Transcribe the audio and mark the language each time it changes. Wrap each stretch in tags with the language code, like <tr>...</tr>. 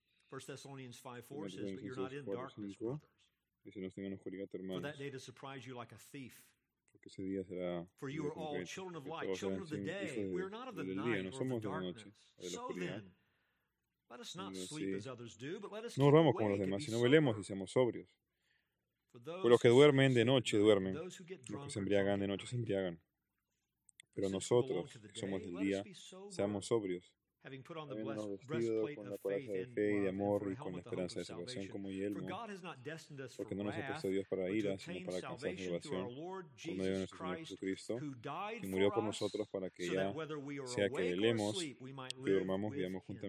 <en>1 Thessalonians 5:4 says, but you're not in darkness, brothers.</en> <es>Dice, no estén en oscuridad, hermanos.</es> <en>For that day to surprise you like a thief.</en> <es>Porque ese día será.</es> <en>For you are all children of light, children of the day. We are not of the night or of the darkness. So then, let us not sleep as others do, but let us</en> <es>no dormamos como los demás, sino velemos y seamos sobrios. Pues los que duermen de noche, duermen. Los que se embriagan de noche, se embriagan. Pero nosotros, que somos del día, seamos sobrios.</es> <en>Having put on the breastplate of faith and love, and for a helmet, the hope of salvation.</en> <es>Como yelmo,</es> <en>for God has not destined us for wrath, but to obtain salvation through our Lord Jesus Christ, who died for us, so that whether we are awake or asleep, we might live with Him.</en>